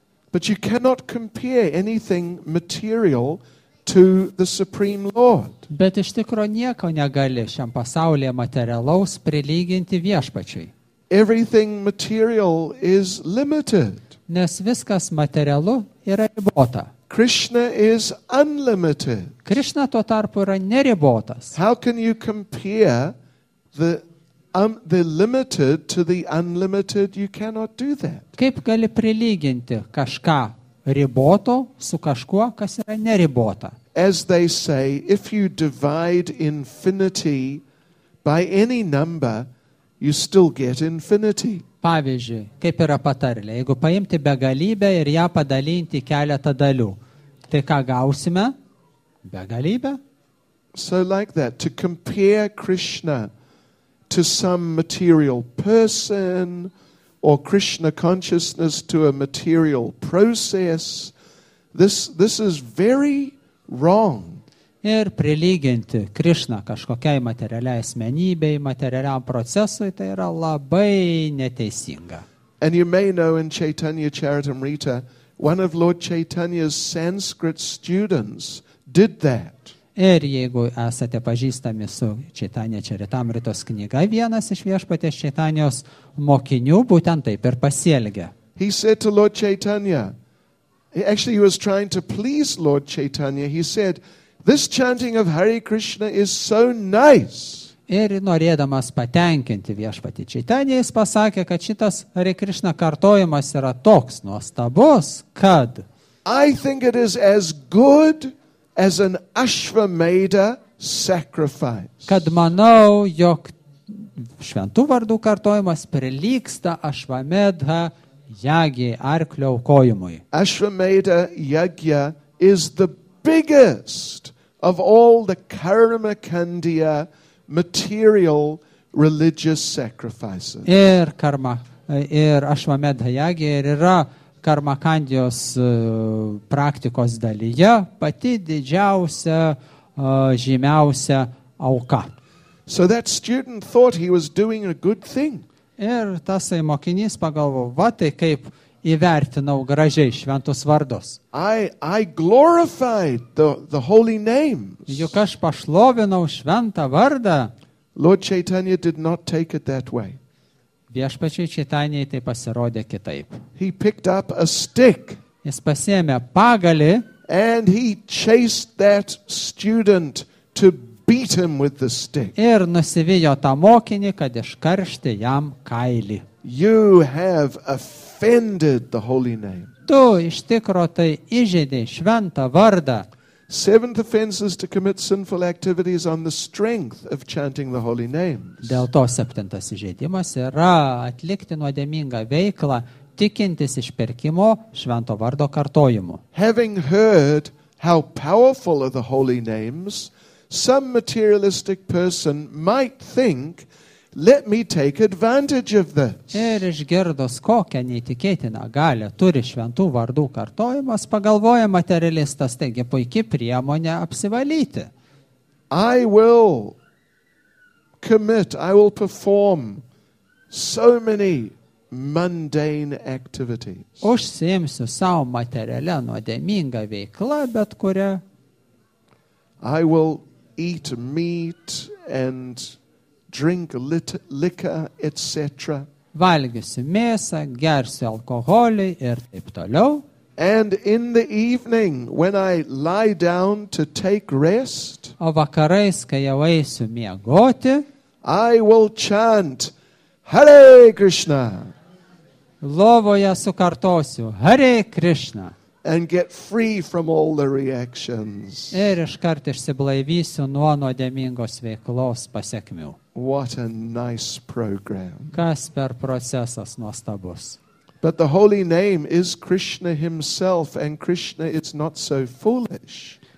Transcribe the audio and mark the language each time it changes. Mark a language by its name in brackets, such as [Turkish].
[English] But you cannot compare anything material to the supreme lord. [Lithuanian] Bet iš tikro nieko negali šiam pasaulyje materialaus prilyginti viešpačiui. [English] Everything material is limited. [Lithuanian] Nes viskas materialu yra ribota. [English] Krishna is unlimited. [Lithuanian] Krishna tuo tarpu yra neribotas. [English] How can you compare the limited to the unlimited? You cannot do that. [Lithuanian] Kaip gali prilyginti kažką riboto su kažkuo, kas yra neribota? [English] As they say, if you divide infinity by any number, you still get infinity. [Lithuanian] Pavyzdžiui, kaip yra patarlė, jeigu paimti begalybę ir ją padalinti keletą dalių, tai ką gausime? Begalybę. [English] So like that, to compare Krishna to some material person or Krishna consciousness to a material process, this is very wrong. [Lithuanian] Ir prilyginti Krishna kažkokiai materialiai asmenybei, materialiam procesui, tai yra labai neteisinga. [English] And you may know in Chaitanya Charitamrita, one of Lord Chaitanya's Sanskrit students did that. [Lithuanian] Ir jeigu esate pažįstami su Chaitanya Charitamritos knyga, vienas iš viešpaties Chaitanyos mokinių būtent taip ir pasielgė. [English] He said to Lord Chaitanya, actually he was trying to please Lord Chaitanya, he said, this chanting of Hare Krishna is so nice. [Lithuanian] Ir norėdamas patenkinti viešpatį Chaitanya, jis pasakė, kad šitas Hare Krishna kartojimas yra toks nuostabus, kad [English] I think it is as good as an Ashvamedha sacrifice. [Lithuanian] Kad manau, jog šventų vardų kartojimas prilygsta Ashvamedha jagi arklio aukojimui. [English] Ashvamedha yagya is the biggest of all the karmakandiya material religious sacrifices. [Lithuanian] Ir karma ir Ashvamedha yagya ir yra karmakandijos praktikos dalyje pati didžiausia žymiausia auka. [English] So that student thought he was doing a good thing. [Lithuanian] Ir tasai mokinys pagalvojo, va tai kaip įvertinau gražiai šventus vardus. [English] I glorified the holy names. [Lithuanian] Juk aš pašlovinau šventą vardą. [English] Lord Chaitanya did not take it that way. [Lithuanian] Viešpačiui Chaitanyai tai pasirodė kitaip. [English] He picked up a stick. [Lithuanian] Jis pasiėmė pagalį. [English] And he chased that student to beat him with the stick. [Lithuanian] Ir nusivijo tą mokinį, kad iškaršti jam kailį. [English] You have offended the holy name. [Lithuanian] Tu iš tikro tai įžeidė šventą vardą. [English] Seventh offense is to commit sinful activities on the strength of chanting the holy names. [Lithuanian] Dėl to septintas įžeidimas yra atlikti nuodėmingą veiklą tikintis išpirkimo švento vardo kartojimu. [English] Having heard how powerful are the holy names, some materialistic person might think, let me take advantage of this. [Lithuanian] Ir išgirdus, kokią neįtikėtiną galią turi šventų vardų kartojimas, pagalvoja materialistas, taigi puiki priemonė apsivalyti. [English] I will commit, I will perform so many mundane activities. [Lithuanian] Užsiimsiu savo materialia nuodėminga veikla, bet kurią. [English] I will eat meat and drink liquor, etc. [Lithuanian] Valgysiu mėsą, gersiu alkoholį ir taip toliau. [English] And in the evening, when I lie down to take rest, [Lithuanian] o vakarais, kai jau eisiu miegoti, [English] I will chant, Hare Krishna. [Lithuanian] Lovoje sukartosiu, Hare Krishna. [English] And get free from all the reactions. [Lithuanian] Ir iškart išsiblaivysiu nuo nuodėmingos veiklos pasekmių. [English] What a nice program. [Lithuanian] Kas per procesas nuostabus. [English] But the holy name is Krishna himself, and Krishna is not so foolish.